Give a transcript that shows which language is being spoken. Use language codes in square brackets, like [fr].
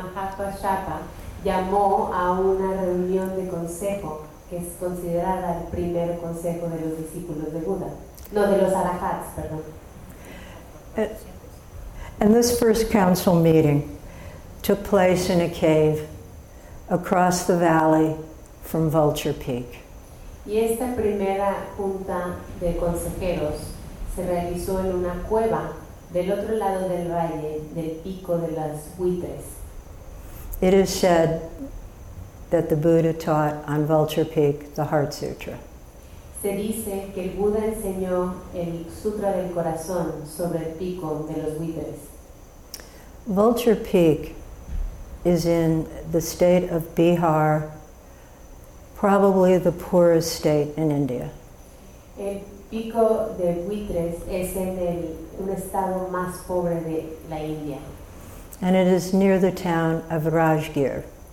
[es] Mahakashapa llamó a una reunión de consejo que es considerada el primer consejo de los discípulos de Buda. No, de los arhats, perdón. [en] And this first council meeting took place in a cave across the valley from Vulture Peak. [es] Y esta primera junta de consejeros se realizó en una cueva del otro lado del valle del pico de las buitres. [en] It is said that the Buddha taught on Vulture Peak the Heart Sutra. [es] Se dice que el Buda enseñó el Sutra del Corazón sobre el pico de los buitres. [en] Vulture Peak is in the state of Bihar, probably the poorest state in India. [es] El pico de buitres es en el un estado más pobre de la India. [en] And it is near the town of Rajgir.